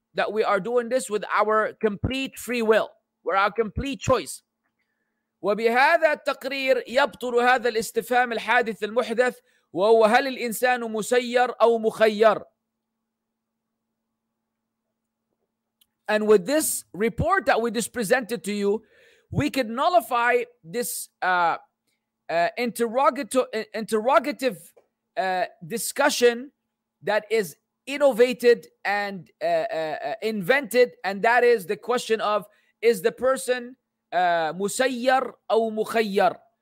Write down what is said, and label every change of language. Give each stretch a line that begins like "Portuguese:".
English: that we are doing this with our complete free will, with our complete choice.
Arabic: وبهذا التقرير يبطل هذا الاستفهام الحادث المحدث وهو هل الإنسان مسير أو مخير.
English: And with this report that we just presented to you, we could nullify this interrogative discussion that is innovated and invented, and that is the question of, is the person musayyar aw mukhayyar?